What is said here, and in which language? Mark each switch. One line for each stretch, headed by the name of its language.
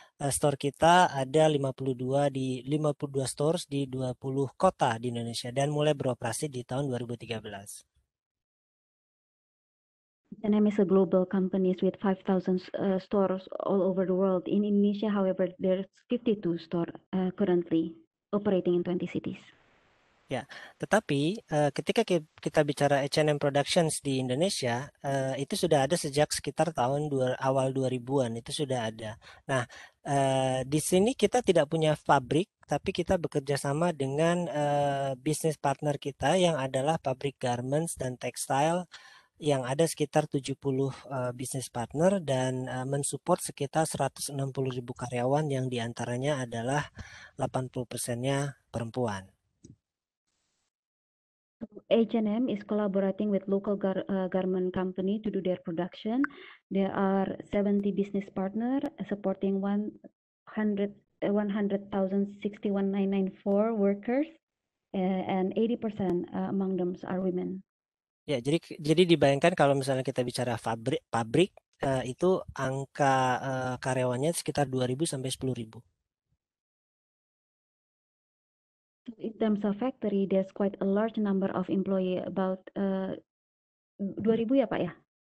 Indonesian: store kita ada 52 stores di 20 kota di Indonesia dan mulai beroperasi di tahun 2013.
English: H&M is a global company with 5,000 stores all over the world. In Indonesia, however, there's 52 stores currently operating in 20 cities.
Indonesian: Ya, tetapi ketika kita bicara H&M Productions di Indonesia, itu sudah ada sejak sekitar tahun awal 2000-an, itu sudah ada. Nah, di sini kita tidak punya pabrik, tapi kita bekerja sama dengan bisnis partner kita yang adalah pabrik garments dan textile yang ada sekitar 70 bisnis partner dan mensupport sekitar 160 ribu karyawan yang diantaranya adalah 80%-nya perempuan.
English: H&M is collaborating with local garment company to do their production. There are 70 business partner supporting 100,061,994 workers and 80% among them are women.
Indonesian: Ya, jadi dibayangkan kalau misalnya kita bicara pabrik itu angka karyawannya sekitar 2.000 sampai 10.000.
English: In terms of factory, there's quite a large number of employee, about 2.000
Indonesian: ya Pak ya?